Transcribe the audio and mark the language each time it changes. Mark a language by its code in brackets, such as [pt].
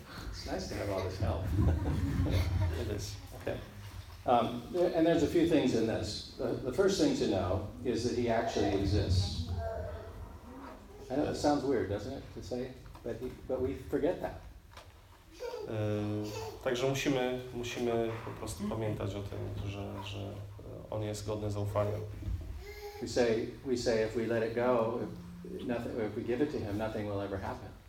[en] It's nice to have all this help. It is. And there's a few things in this. The first thing to know is that he actually exists. I know it sounds weird, doesn't it, to say, but we forget that. [pl] Także musimy po prostu pamiętać o tym, że on jest godny zaufania. [en] We say if we let it go, if we give it to him, nothing will ever happen.